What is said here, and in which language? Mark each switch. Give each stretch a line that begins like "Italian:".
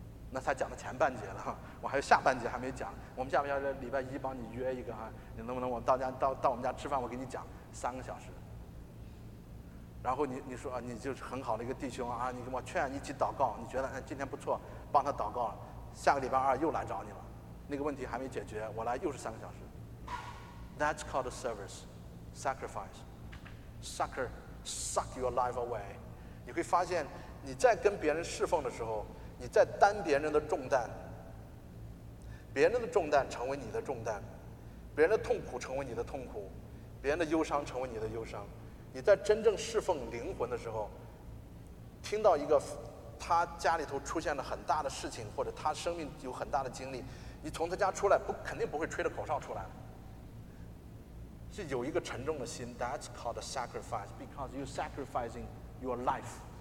Chinese: 那才讲到前半节了，我还有下半节还没讲。我们下半节礼拜一帮你约一个哈，你能不能我到家到我们家吃饭，我给你讲三个小时。然后你说啊，你就是很好的一个弟兄啊，你跟我劝你一起祷告，你觉得哎今天不错，帮他祷告了，下个礼拜二又来找你了，那个问题还没解决，我来又是三个小时。
English: That's called service, sacrifice. Suck your life away.
Chinese: 你会发现，你在跟别人侍奉的时候，你在担别人的重担，别人的重担成为你的重担，别人的痛苦成为你的痛苦，别人的忧伤成为你的忧伤。你在真正侍奉灵魂的时候，听到一个他家里头出现了很大的事情，或者他生命有很大的经历，你从他家出来肯定不会吹着口哨出来，是有一个沉重的心。
English: That's called a sacrifice, because you're sacrificing your life.